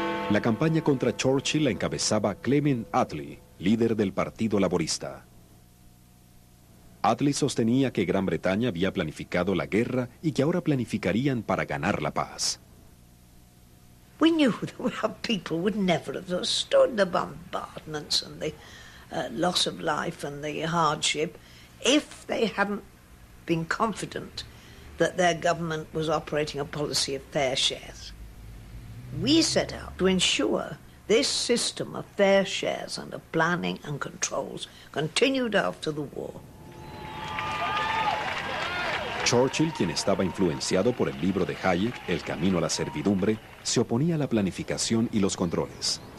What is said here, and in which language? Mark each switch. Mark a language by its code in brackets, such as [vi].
[es] La campaña contra Churchill la encabezaba Clement Attlee, líder del Partido Laborista. Attlee sostenía que Gran Bretaña había planificado la guerra y que ahora planificarían para ganar la paz. [en] We knew that our people would never have stood the bombardments and the loss of life and the hardship if they hadn't been confident that their government was operating a policy of fair shares. We set out to ensure this system of fair shares and of planning and controls continued after the war. [es] Churchill, quien estaba influenciado por el libro de Hayek, El camino a la servidumbre, se oponía a la planificación y los controles.